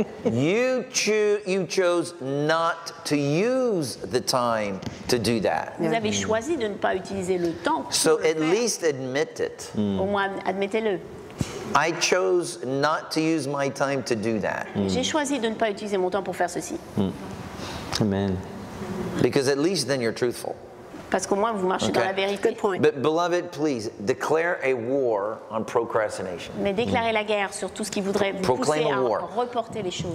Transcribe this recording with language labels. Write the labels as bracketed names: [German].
[English] You chose not to use the time to do that. [French] Vous avez choisi de ne pas utiliser le temps. [English] So at least admit it. [French] Au moins admettez-le. [English] I chose not to use my time to do that. [French] J'ai choisi de ne pas utiliser mon temps pour faire ceci. Amen. [English] Because at least then you're truthful. [French] Parce qu'au moins vous marchez dans la vérité. [English] Good point. But beloved, please declare a war on procrastination. [French] Mais déclarez la guerre sur tout ce qui voudrait vous [English] proclaim [French] pousser [English] a war. [French] À reporter les choses.